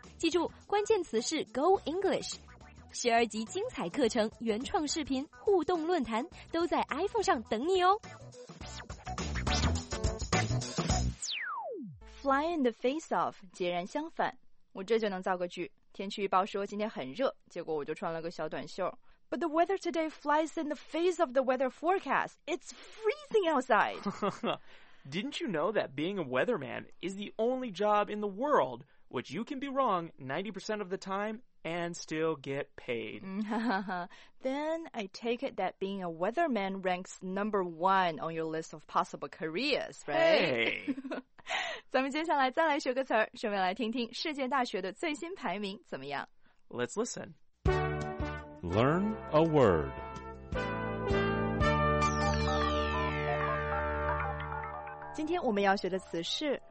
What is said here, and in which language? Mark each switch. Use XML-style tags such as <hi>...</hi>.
<zh>记住，关键词是 Go English。十二集精彩课程、原创视频、互动论坛都在 iPhone 上等你哦。</zh> <en>Fly in the face of</en> <zh>截然相反，我这就能造个句。天气预报说今天很热，结果我就穿了个小短袖。</zh> <en>But the weather today flies in the face of the weather forecast. It's freezing outside. Didn't you know that being a weatherman is the only job in the world which you can be wrong 90% of the time and still get paid? Then I take it that being a weatherman ranks number one on your list of possible careers, right? Hey!</en> <zh>咱们接下来再来学个词儿，顺便来听听世界大学的最新排名怎么样。</zh> <en>Let's listen. Learn a word. Today,</en> <zh>我们要学的词是</zh>